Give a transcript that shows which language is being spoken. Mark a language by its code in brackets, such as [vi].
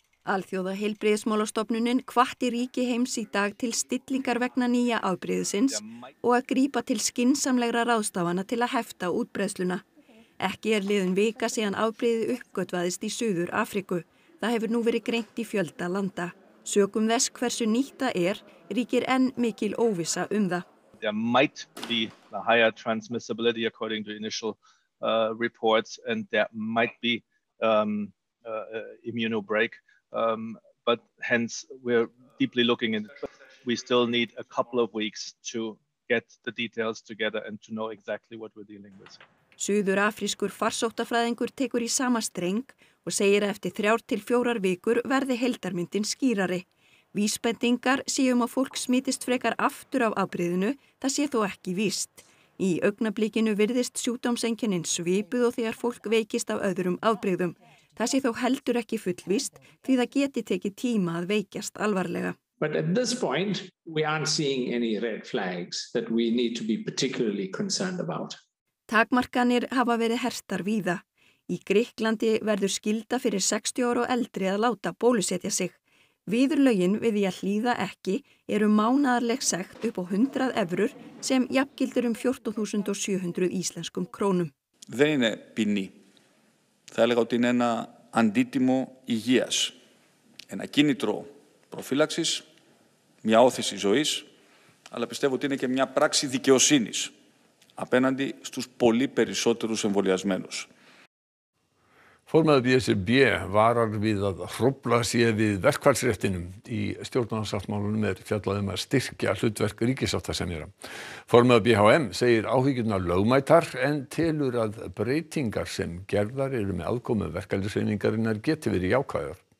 [is] Alþjóða heilbrigðismálastofnunin hvatti ríki heims í dag til stillingar vegna nýja afbrigðisins og að grípa til skynsamlegra ráðstafana til að hefta útbreiðsluna. Ekki liðin vika síðan afbrigði uppgötvaðist í Suður-Afríku. Það hefur nú verið greint í fjölda landa. Sökum þess hversu nýtt það ríkir enn mikil óvissa það. [en] There might be a higher transmissibility according to initial reports, and there might be immunobreak. But hence, we're deeply looking into it. We still need a couple of weeks to get the details together and to know exactly what we're dealing with. [is] Suður-afrískur farsóttafræðingur tekur í sama streng og segir að eftir 3 til 4 vikur verði heildarmyndin skýrari. Vísbendingar séu að fólk smitist frekar aftur af afbrigðinu, það sé þó ekki víst. Í augnablikinu virðist sjúkdómseinkennin svipuð og þegar fólk veikist af öðrum afbrigðum. Það sé þó heldur ekki fullvíst því það geti tekið tíma að veikjast alvarlega. [en] But at this point, we aren't seeing any red flags that we need to be particularly concerned about. [is] Takmarkanir hafa verið hertar víða. Í Grikklandi verður skylda fyrir 60 ára og eldri að láta bólusetja sig. Viðurlögin við því að hlýða ekki eru mánaðarleg sekt upp á 100 evrur sem jafngildir 14.700 íslenskum krónum. [el] Δεν είναι ποινή. Θα έλεγα ότι είναι ένα αντίτιμο υγείας. Ένα κίνητρο προφύλαξης, μια όθηση ζωής, αλλά πιστεύω ότι είναι και μια πράξη δικαιοσύνης απέναντι στους πολύ περισσότερους εμβολιασμένους. [is] Formaður BSRB varar við að hrófla sé við verkfallsréttinum. Í stjórnarsáttmálunum fjallað að styrkja hlutverk ríkissáttasemjara. Formaður BHM segir áhyggjurna lögmætar en telur að breytingar sem gerðar eru með aðkomu verkalýðshreyfingarinnar geti verið jákvæðar.